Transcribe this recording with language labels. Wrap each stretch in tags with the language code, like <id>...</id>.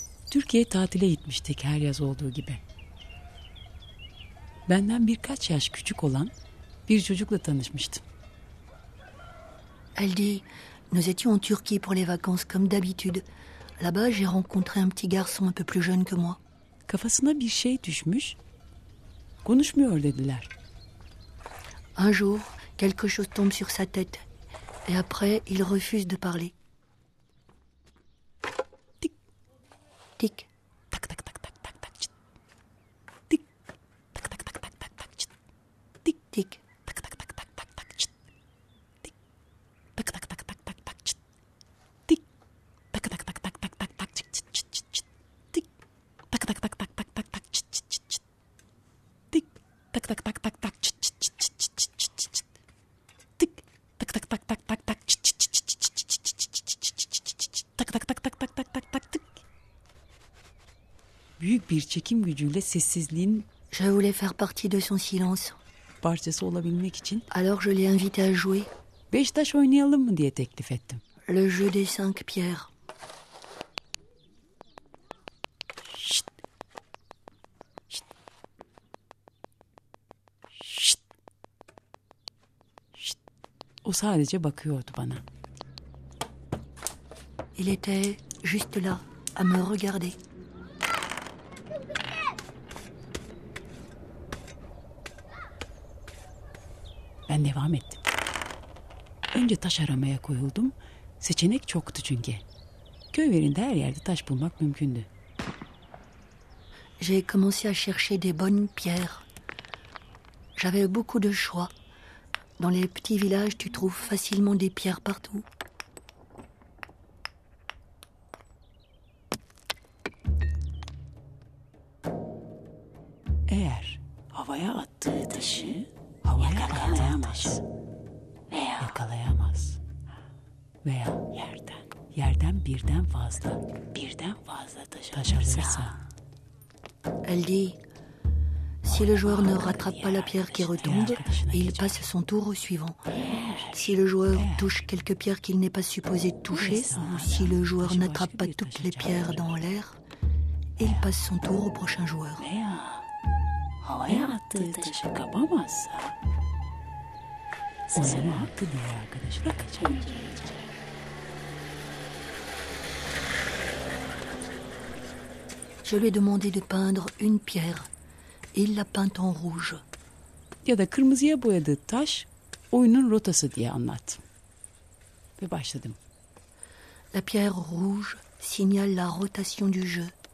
<tr>Türkiye tatile gitmiştik her yaz olduğu gibi. Benden birkaç yaş küçük olan bir çocukla tanışmıştım.</tr> <fr>Elle dit, nous étions en Turquie pour les vacances comme d'habitude. Là-bas, j'ai rencontré un petit garçon un peu plus jeune que moi.</fr> <tr>Kafasına bir şey düşmüş. Konuşmuyor dediler.</tr> <fr>Un jour, quelque chose tombe sur sa tête et après, il refuse de parler. Tik. Tak tak tak tak tak tak çıt. Tik. Tak tak tak tak tak tak çıt. Tik tik. Tak tak tak tak tak tak çıt. Tik. Tak tak tak tak tak tak çıt. Tik. Tak tak tak tak tak tak tak çıt çıt çıt çıt çıt. Tik. Tak tak tak tak tak tak tak çıt çıt çıt çıt. Tik. Tak tak tak tak tak çıt çıt çıt çıt çıt çıt çıt çıt çıt. Tik. Tak tak tak tak tak tak çıt çıt çıt çıt çıt çıt çıt çıt çıt çıt çıt çıt çıt çıt çıt çıt çıt çıt. Tak tak tak tak tak tak tak tak tik.</fr> <tr>Büyük bir çekim gücüyle sessizliğin</tr> <fr>je voulais faire partie de son silence.</fr> <tr>Parçası olabilmek için.</tr> <fr>Alors je l'ai invité à jouer.</fr> <tr>Beş taş oynayalım mı diye teklif ettim.</tr> <fr>Le jeu des cinq pierres. Şşt. Şşt. Şşt. Şşt.</fr> <tr>O sadece bakıyordu bana.</tr> <fr>Il était juste là à me regarder.</fr> <tr>Ben devam ettim. Önce taş aramaya koyuldum. Seçenek çoktu çünkü. Köylerinde her yerde taş bulmak mümkündü.</tr> <fr>J'ai commencé à chercher des bonnes pierres. J'avais beaucoup de choix. Dans les petits villages, tu trouves facilement des pierres partout.</fr> <tr>Eğer havaya attığı taşı yakalayamaz. Veya yerden birden fazla taş alırsa.</tr> <fr>Elle dit si le joueur ne rattrape pas la pierre qui retombe, il passe son tour au suivant. Si le joueur touche quelques pierres qu'il n'est pas supposé toucher, ou si le joueur n'attrape pas toutes les pierres dans l'air, il passe son tour au prochain joueur.</fr> <tr>Havaya attığı taşı kapamazsa onun hakkı diye arkadaşına kaçamayacak.</tr> <fr>Je lui ai demandé de peindre une pierre. Il l'a peinte en rouge.</fr> <tr>Ya da kırmızıya boyadığı taş oyunun rotası diye anlat. Ve başladım.</tr> <fr>La pierre rouge signale la rotation du jeu.</fr>